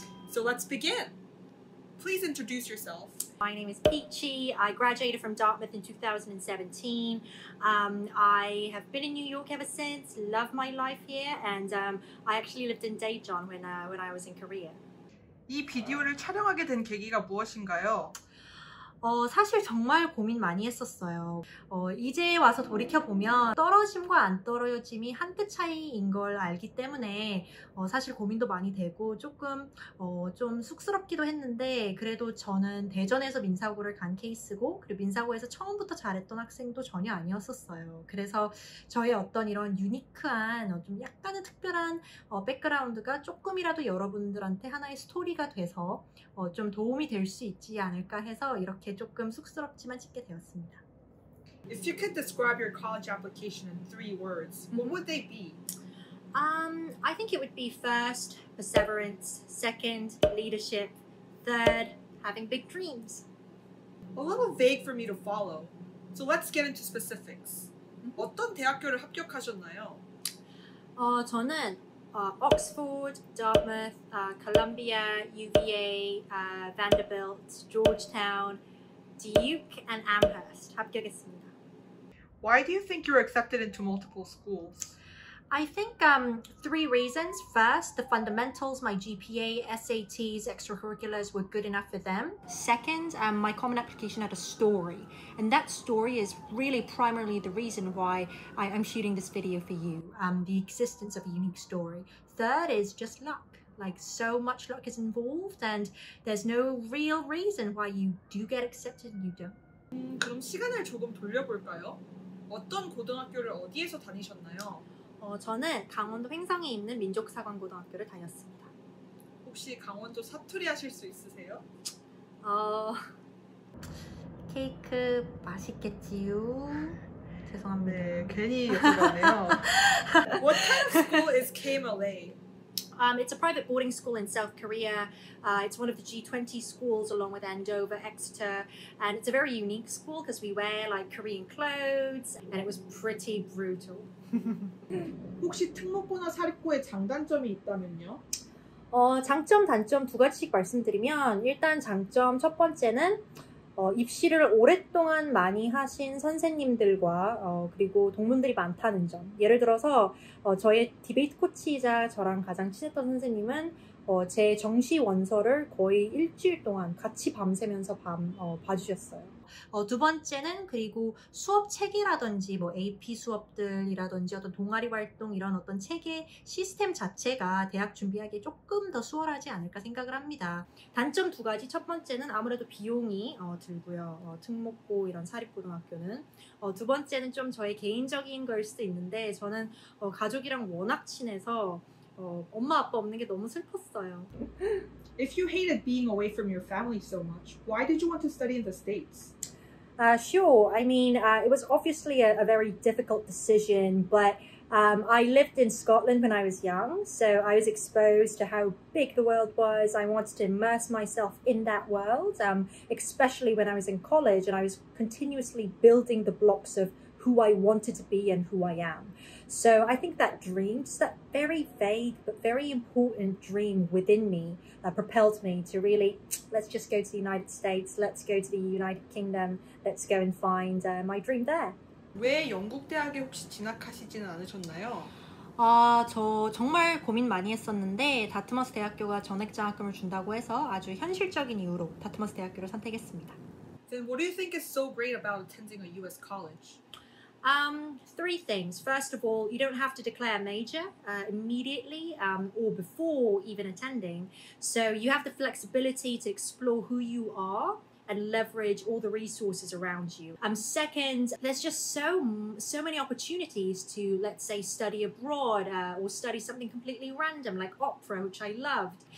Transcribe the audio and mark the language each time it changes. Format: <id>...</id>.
<en>So let's begin! Please introduce yourself. My name is Peachy. I graduated from Dartmouth in 2017. I have been in New York ever since, love my life here, and I actually lived in Daejeon when I was in Korea.</en> <ko>이 비디오를 촬영하게 된 계기가 무엇인가요? 사실 정말 고민 많이 했었어요. 이제 와서 돌이켜보면 떨어짐과 안 떨어짐이 한 끗 차이인 걸 알기 때문에 사실 고민도 많이 되고 조금 좀 쑥스럽기도 했는데 그래도 저는 대전에서 민사고를 간 케이스고 그리고 민사고에서 처음부터 잘했던 학생도 전혀 아니었었어요. 그래서 저의 어떤 이런 유니크한 좀 약간은 특별한 백그라운드가 조금이라도 여러분들한테 하나의 스토리가 돼서 좀 도움이 될 수 있지 않을까 해서 이렇게 조금 쑥스럽지만 찍게 되었습니다.</ko> <en>If you could describe your college application in 3 words, what would they be? I think it would be first, perseverance, second, leadership, third, having big dreams. A little vague for me to follow. So let's get into specifics.</en> <ko>어떤 대학교를 합격하셨나요? 저는 Oxford, Dartmouth, Columbia, UVA, Vanderbilt, Georgetown, Duke, and Amherst 합격했습니다.</ko> <en>Why do you think you were accepted into multiple schools? I think 3 reasons. First, the fundamentals, my GPA, SATs, extracurriculars were good enough for them. Second, my common application had a story. And that story is really primarily the reason why I'm shooting this video for you, the existence of a unique story. Third is just luck. Like so much luck is involved and there's no real reason why you do get accepted and you don't.</en> <ko>그럼 시간을 조금 돌려볼까요? 어떤 고등학교를 어디에서 다니셨나요? 저는 강원도 횡성에 있는 민족사관고등학교를 다녔습니다. 혹시 강원도 사투리 하실 수 있으세요? 케이크 맛있겠지요? 죄송합니다. 네, 괜히 여쭤봤네요.</ko> <en>What kind of school is KMLA? It's a private boarding school in South Korea. It's one of the G20 schools along with Andover, Exeter. And it's a very unique school because we wear like Korean clothes and it was pretty brutal.</en> <ko>혹시 특목고나 사립고의 장단점이 있다면요? 장점, 단점 두 가지씩 말씀드리면 일단 장점 첫 번째는 입시를 오랫동안 많이 하신 선생님들과 그리고 동문들이 많다는 점. 예를 들어서 저의 디베이트 코치이자 저랑 가장 친했던 선생님은 제 정시 원서를 거의 일주일 동안 같이 밤새면서 봐주셨어요. 두 번째는 그리고 수업 체계라든지 뭐 AP 수업들이라든지 어떤 동아리 활동 이런 어떤 체계 시스템 자체가 대학 준비하기에 조금 더 수월하지 않을까 생각을 합니다. 단점 두 가지, 첫 번째는 아무래도 비용이 들고요. 특목고 이런 사립고등학교는. 두 번째는 좀 저의 개인적인 걸 수도 있는데 저는 가족이랑 워낙 친해서 엄마 아빠 없는 게 너무 슬펐어요.</ko> <en>If you hated being away from your family so much, why did you want to study in the States? Sure, I mean, it was obviously a very difficult decision, but I lived in Scotland when I was young, so I was exposed to how big the world was. I wanted to immerse myself in that world, especially when I was in college and I was continuously building the blocks of who I wanted to be and who I am. So I think that dream, just that very vague but very important dream within me propelled me to really, let's just go to the United States, let's go to the United Kingdom, let's go and find my dream there.</en> <ko>왜 영국 대학에 혹시 진학하시진 않으셨나요? 저 정말 고민 많이 했었는데 다트머스 대학교가 전액 장학금을 준다고 해서 아주 현실적인 이유로 다트머스 대학교를 선택했습니다.</ko> <en>Then what do you think is so great about attending a US college? 3 things. First of all, you don't have to declare a major immediately or before even attending. So you have the flexibility to explore who you are and leverage all the resources around you. Second, there's just so many opportunities to, let's say, study abroad or study something completely random like opera, which I loved.</en>